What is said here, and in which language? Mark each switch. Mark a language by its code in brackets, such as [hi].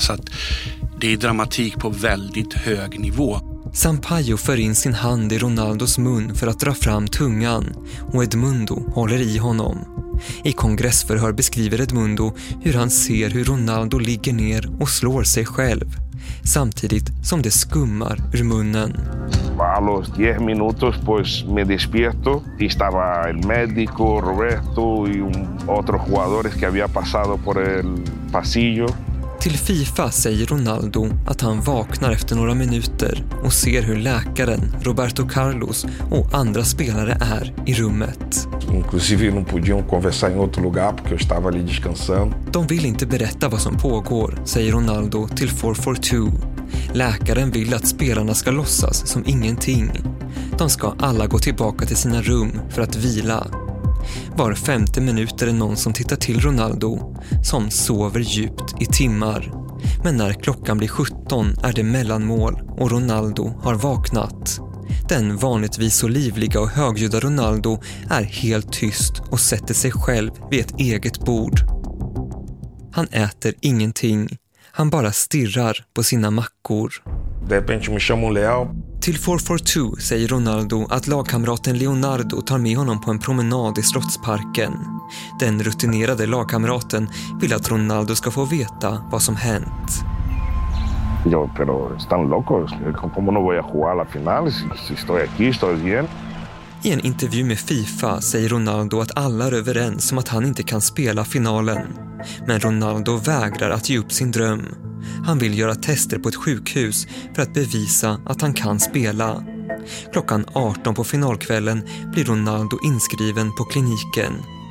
[sv] Så att det är dramatik på väldigt hög nivå. Sampaio för in sin hand i Ronaldos mun för att dra fram tungan. Och Edmundo håller i honom. I kongressförhör beskriver Edmundo hur han ser hur Ronaldo ligger ner och slår sig själv. Samtidigt som det skummar ur munnen. [es] A los 10 minutos pues me despierto y estaba el médico Roberto y otros jugadores que había pasado por el pasillo. [sv] Till FIFA säger Ronaldo att han vaknar efter några minuter och ser hur läkaren Roberto Carlos och andra spelare är i rummet. [pt] Inclusive não podiam conversar em outro lugar porque eu estava ali descansando. [sv] De vill inte berätta vad som pågår, säger Ronaldo till 442. Läkaren vill att spelarna ska låtsas som ingenting. De ska alla gå tillbaka till sina rum för att vila. Var femte minut är det någon som tittar till Ronaldo, som sover djupt i timmar. Men när klockan blir 17 är det mellanmål och Ronaldo har vaknat. Den vanligtvis så livliga och högljudda Ronaldo är helt tyst och sätter sig själv vid ett eget bord. Han äter ingenting. Han bara stirrar på sina mackor. [pt] De repente me chamo Leo. [sv] Till 442 säger Ronaldo att lagkamraten Leonardo tar med honom på en promenad i slottsparken. Den rutinerade lagkamraten vill att Ronaldo ska få veta vad som hänt. [es] Yo, pero están locos. ¿Cómo no voy a jugar la final? Si estoy aquí, estoy bien. [sv] I en intervju med FIFA säger Ronaldo att alla är överens om att han inte kan spela finalen. Men Ronaldo vägrar att ge upp sin dröm. Han vill göra tester på ett sjukhus för att bevisa att han kan spela. Klockan 18 på finalkvällen blir Ronaldo inskriven på kliniken.